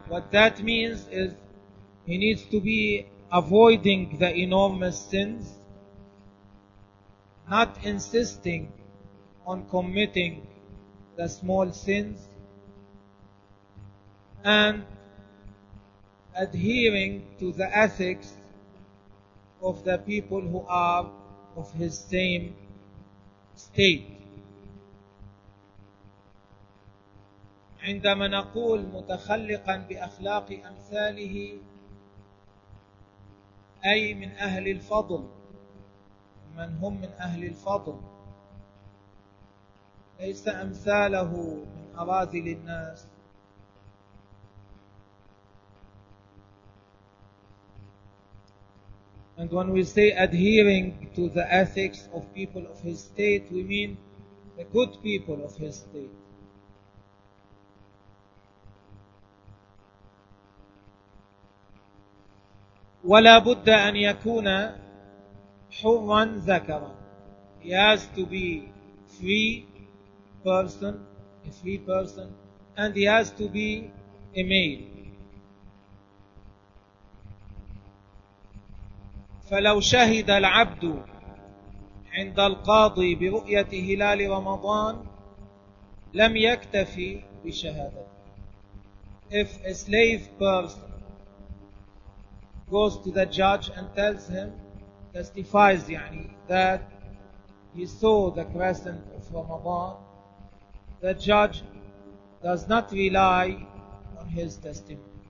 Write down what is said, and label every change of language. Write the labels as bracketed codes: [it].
[en] What that means is he needs to be avoiding the enormous sins, not insisting on committing the small sins, and adhering to the ethics of the people who are of his same state. [ar] عندما نقول متخلقا بأخلاق أمثاله أي من أهل الفضل من هم من أهل الفضل ليس أمثاله من أراذل الناس. [en] And when we say adhering to the ethics of people of his state, we mean the good people of his state. [ar] ولا بد أن يكون حرا ذكرا. [en] He has to be a free person, and he has to be a male. [ar] فلو شهد العبد عند القاضي برؤية هلال رمضان لم يكتفي بشهادة. [en] If a slave person goes to the judge and tells him, testifies [ar] يعني, [en] that he saw the crescent of Ramadan, the judge does not rely on his testimony.